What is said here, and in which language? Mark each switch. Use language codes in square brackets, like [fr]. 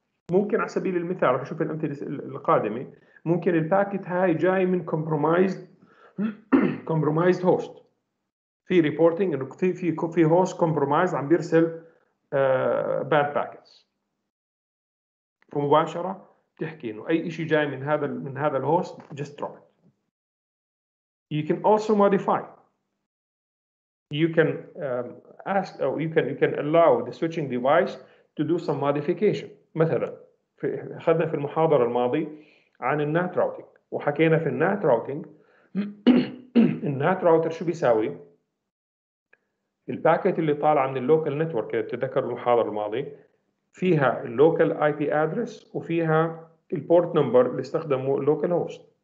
[ar] ممكن على سبيل المثال رح نشوف الأمثلة القادمة، ممكن الباكيت هاي جاي من compromised host، في reporting إنه في host compromised عم بيرسل bad packets، فمباشرة تحكي إنه أي إشي جاي من هذا الhost [en] just drop it. You can also modify. You can ask or you can allow the switching device to do some modification. [ar] مثلا أخذنا في المحاضرة الماضية عن النات راوتينج وحكينا في النات راوتينج النات راوتر شو بيساوي؟ الباكيت اللي طالع من اللوكال نتورك اللي تذكر المحاضرة الماضية فيها اللوكال اي بي ادرس وفيها البورت نمبر اللي استخدمه اللوكال هوست.